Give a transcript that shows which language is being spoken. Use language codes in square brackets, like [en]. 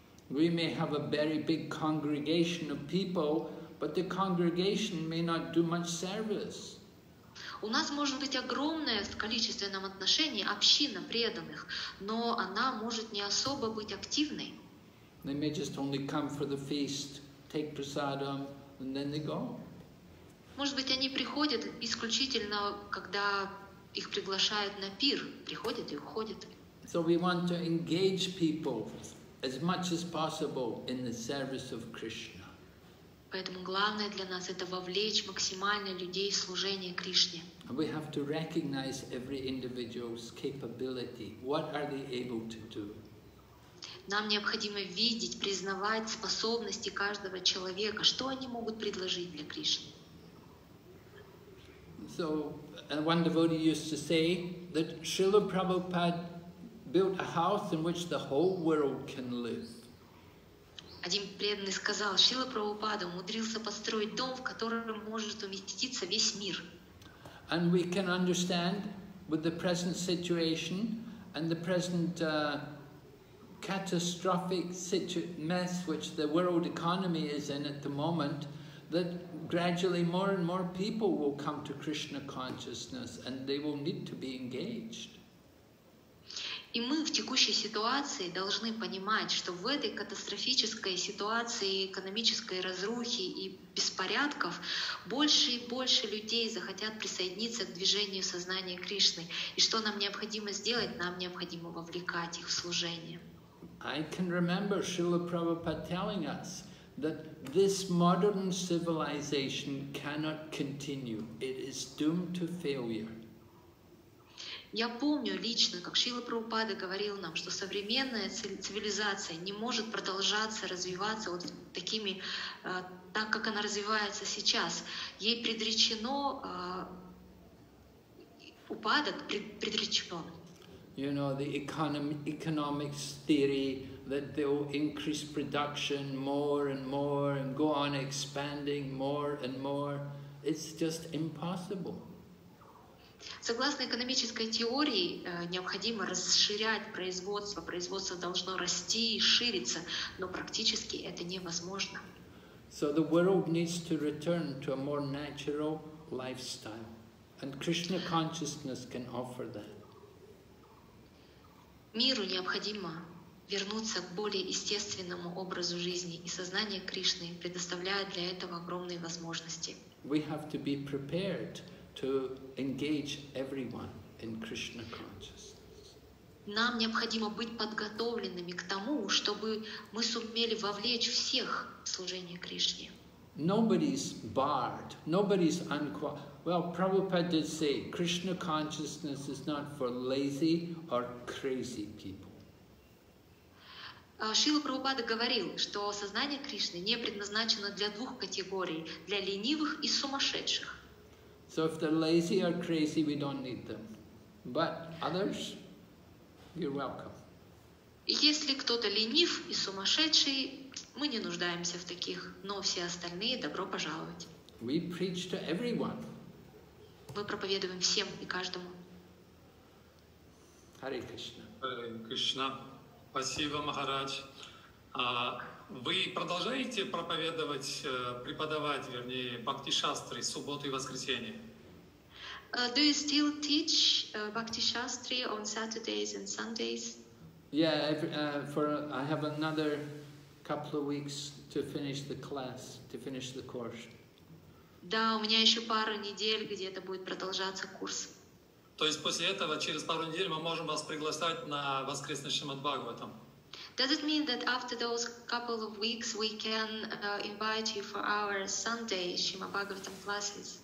[en] We may have a very big congregation of people, but the congregation may not do much service. [ru] У нас может быть огромное в количественном отношении община преданных, но она может не особо быть активной. [en] They may just only come for the feast, take prasadam, and then they go. [ru] Может быть, они приходят исключительно, когда их приглашают на пир, приходят и уходят. [en] So we want to engage people as much as possible in the service of Krishna. [ru] Поэтому главное для нас это вовлечь максимально людей в служение Кришне. [en] We have to recognize every individual's capability. What are they able to do? [ru] Нам необходимо видеть, признавать способности каждого человека, что они могут предложить для Кришны. [en] So one devotee used to say that Srila Prabhupada built a house in which the whole world can live. [ru] Один преданный сказал, Шрила Прабхупада умудрился построить дом, в котором может уместиться весь мир. [en] And we can understand with the present situation and the present catastrophic mess which the world economy is in at the moment, that gradually more and more people will come to Krishna consciousness and they will need to be engaged. [ru] И мы в текущей ситуации должны понимать, что в этой катастрофической ситуации экономической разрухи и беспорядков больше и больше людей захотят присоединиться к движению сознания Кришны. И что нам необходимо сделать? Нам необходимо вовлекать их в служение. [en] I can remember Srila Prabhupada telling us that this modern civilization cannot continue. It is doomed to failure. [ru] Я помню лично, как Шрила Прабхупада говорил нам, что современная цивилизация не может продолжаться развиваться вот такими, так как она развивается сейчас. Ей предречено упадок, предречено. [en] You know, the economics theory that they will increase production more and more and go on expanding more and more. It's just impossible. [ru] Согласно экономической теории, необходимо расширять производство. Производство должно расти и шириться, но практически это невозможно. [en] So the world needs to return to a more natural lifestyle. And Krishna consciousness can offer that. [ru] Миру необходимо вернуться к более естественному образу жизни, и сознание Кришны предоставляет для этого огромные возможности. [en] We have to be prepared to engage everyone in Krishna consciousness. [ru] Нам необходимо быть подготовленными к тому, чтобы мы сумели вовлечь всех в служение Кришне. [en] Nobody's barred, nobody's Well, Prabhupada did say, Krishna consciousness is not for lazy or crazy people. [ru] Шрила Прабхупада говорил, что сознание Кришны не предназначено для двух категорий, для ленивых и сумасшедших. [en] So if they're lazy or crazy, we don't need them. But others, you're welcome. [ru] Если кто-то ленив и сумасшедший, мы не нуждаемся в таких, но все остальные, добро пожаловать. [en] We preach to everyone. [ru] Мы проповедуем всем и каждому. Харе Кришна. Харе Кришна. Спасибо, Махарадж. Вы продолжаете преподавать, вернее, бхакти-шастры субботу и воскресенье? [en] Do you still teach bhakti-шастры on Saturdays and Sundays? Yeah, I have another couple of weeks to finish the class, to finish the course. [ru] Да, у меня еще пару недель, где это будет продолжаться курс. То есть после этого, через пару недель, мы можем вас приглашать на воскресный Шримад-Бхагаватам? [en] Does it mean that after those couple of weeks, we can invite you for our Sunday Shrimad-Bhagavatam classes?